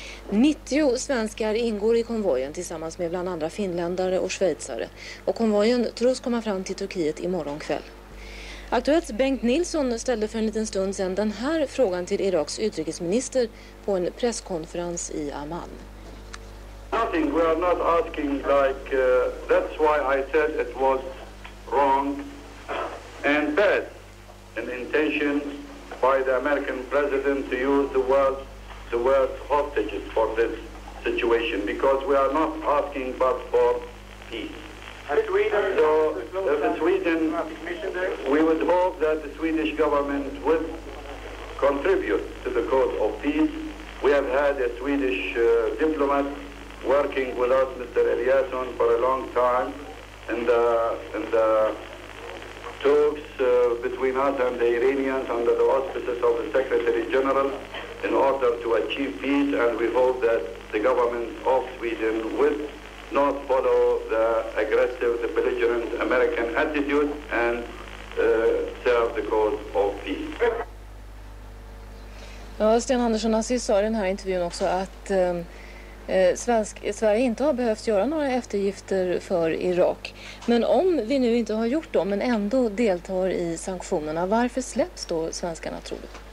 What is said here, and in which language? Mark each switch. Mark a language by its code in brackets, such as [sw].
[sv] 90 svenskar ingår i konvojen tillsammans med bland andra finländare och schweizare. Och konvojen tros komma fram till Turkiet imorgon kväll. Aktuellt Bengt Nilsson ställde för en liten stund sedan den här frågan till Iraks utrikesminister på en presskonferens i Amman. [en] Nothing, we are not asking like, that's why I said it was wrong and bad an intention by the American president to use the word hostages for this situation, because we are not asking but for peace. Sweden, so the Sweden, we would hope that the Swedish government would contribute to the cause of peace. We have had a Swedish diplomat working with us, Mr. Eliasson, for a long time in the talks between us and the Iranians under the auspices of the Secretary General in order to achieve peace, and we hope that the government of Sweden will not follow the aggressive, the belligerent American attitude and serve the cause of peace. [sv] Ja, Sten Andersson, Aziz sa i den här intervjun också att Sverige inte har behövt göra några eftergifter för Irak. Men om vi nu inte har gjort dem men ändå deltar i sanktionerna, varför släpps då svenskarna, tror du?